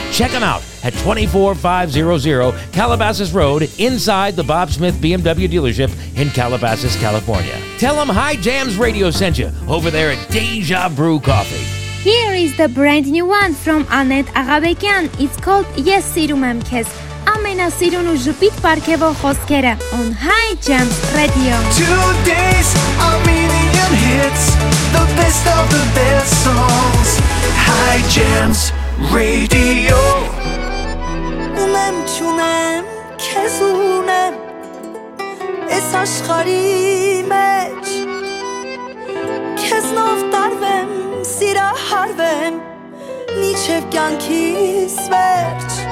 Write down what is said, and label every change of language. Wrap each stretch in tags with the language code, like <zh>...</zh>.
<en>Check them out at 24500 Calabasas Road inside the Bob Smith BMW dealership in Calabasas, California. Tell them High Jams Radio sent you over there at Deja Brew Coffee. Here is the brand new one from Annette Aghabekyan. It's called Yes, Sirum Em Kez.</en> <hy>Ամենասիրուն ու ժպիտ պարգևող խոսքերը on High Jams Radio.</hy> <en>Today's Armenian hits, the best of the best songs, High Jams Radio.</en> <hy>Ունեմ չունեմ, քեզ ունեմ, ես աշխարհի մեջ, քեզ նով տարվեմ, սիրահարվեմ, մինչև կյանքիս վերջ.</hy>